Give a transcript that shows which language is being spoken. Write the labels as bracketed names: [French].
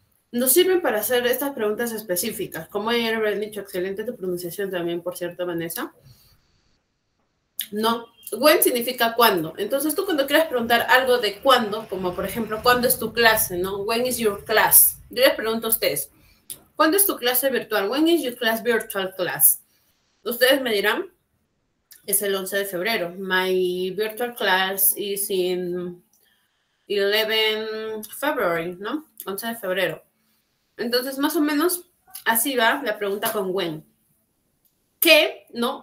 [Spanish] Nos sirven para hacer estas preguntas específicas. Como ayer habrán dicho, excelente tu pronunciación también, por cierto, Vanessa. No. When significa cuándo. Entonces, tú cuando quieras preguntar algo de cuándo, como por ejemplo, ¿cuándo es tu clase? ¿No? [English] When is your class? [Spanish] Yo les pregunto a ustedes, ¿cuándo es tu clase virtual? [English] When is your class virtual class? [Spanish] Ustedes me dirán, es el 11 de febrero. [English] My virtual class is in 11 February, [Spanish] ¿no? 11 de febrero. Entonces, más o menos así va la pregunta con when. ¿Qué? ¿No?